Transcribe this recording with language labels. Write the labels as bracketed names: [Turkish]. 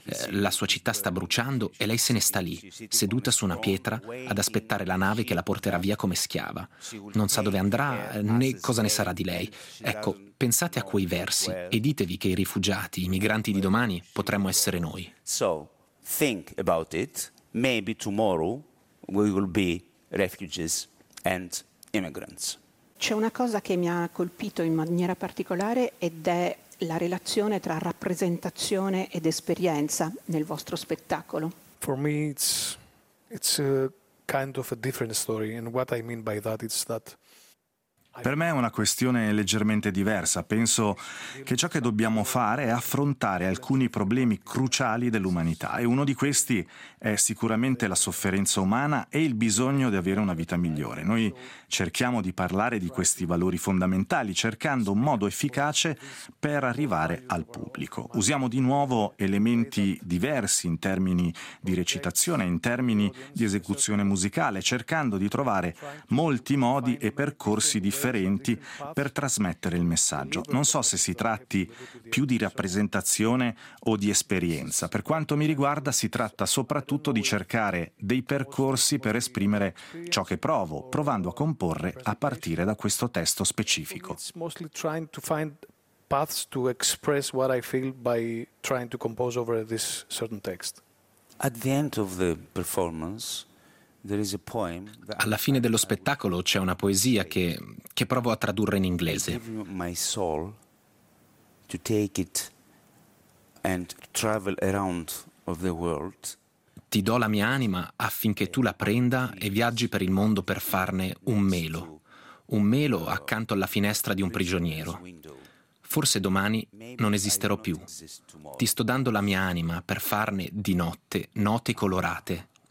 [Italian] La sua città sta bruciando e lei se ne sta lì, seduta su una pietra, ad aspettare la nave che la porterà via come schiava. Non sa dove andrà né cosa ne sarà di lei. Ecco, pensate a quei versi e ditevi che i rifugiati, i migranti di domani, potremmo essere noi. [English] So, think about it. Maybe tomorrow we will be refugees and immigrants. [Italian] C'è una cosa che mi ha colpito in maniera particolare ed è la relazione tra rappresentazione ed esperienza nel vostro spettacolo. [English] For me it's a kind of a different story, and what I mean by that is that [Italian] per me è una questione leggermente diversa. Penso che ciò che dobbiamo fare è affrontare alcuni problemi cruciali dell'umanità e uno di questi è sicuramente la sofferenza umana e il bisogno di avere una vita migliore. Noi cerchiamo di parlare di questi valori fondamentali cercando un modo efficace per arrivare al pubblico. Usiamo di nuovo elementi diversi in termini di recitazione, in termini di esecuzione musicale, cercando di trovare molti modi e percorsi di differenti per trasmettere il messaggio. Non so se si tratti più di rappresentazione o di esperienza. Per quanto mi riguarda, si tratta soprattutto di cercare dei percorsi per esprimere ciò che provo, provando a comporre a partire da questo testo specifico. [English] Mostly trying to find paths to express what I feel by trying to compose over this certain text. At the end of the performance, [Italian] alla fine dello spettacolo c'è una poesia che provo a tradurre in inglese. [English] My soul to take it and travel around of the world. [Italian] Ti do la mia anima affinché tu la prenda e viaggi per il mondo per farne un melo accanto alla finestra di un prigioniero. Forse domani non esisterò più. Ti sto dando la mia anima per farne di notte note colorate.